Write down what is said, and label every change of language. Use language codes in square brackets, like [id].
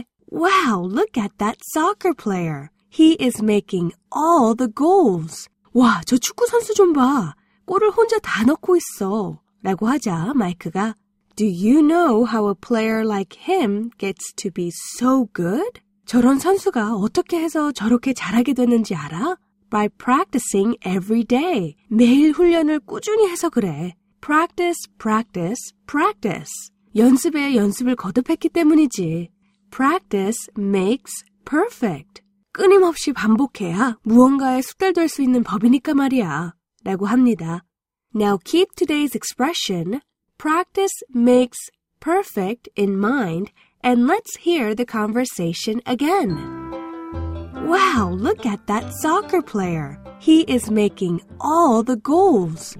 [en] Wow, look at that soccer player. He is making all the goals. [ko] 와, 저 축구 선수 좀 봐. 골을 혼자 다 넣고 있어. 라고 하자 마이크가 [en] Do you know how a player like him gets to be so good? [ko] 저런 선수가 어떻게 해서 저렇게 잘하게 되는지 알아? [en] By practicing every day. [ko] 매일 훈련을 꾸준히 해서 그래. [en] Practice, practice, practice. [ko] 연습에 연습을 거듭했기 때문이지. [en] Practice makes perfect. [ko] 끊임없이 반복해야 무언가에 숙달될 수 있는 법이니까 말이야. 라고 합니다. [en] Now keep today's expression, practice makes perfect in mind, and let's hear the conversation again. Wow, look at that soccer player. He is making all the goals.